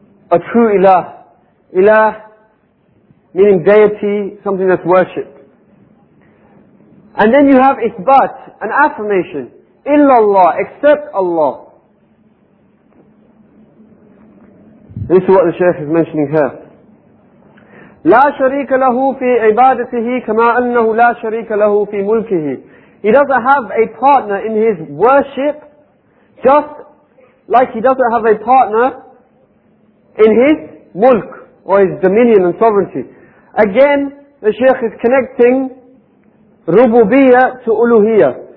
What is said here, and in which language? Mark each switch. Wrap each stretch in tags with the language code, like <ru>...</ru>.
<en>A true ilah. Ilah meaning deity, something that's worshipped. And then you have isbat, an affirmation. Illallah, except Allah. This is what the Shaykh is mentioning here.</en> <ar>لا شريك له في عبادته كما أنه لا شريك له في ملكه.</ar> <en>He doesn't have a partner in his worship, just like he doesn't have a partner in his mulk or his dominion and sovereignty. Again, the Shaykh is connecting rububiyyah to uluhiyyah.</en>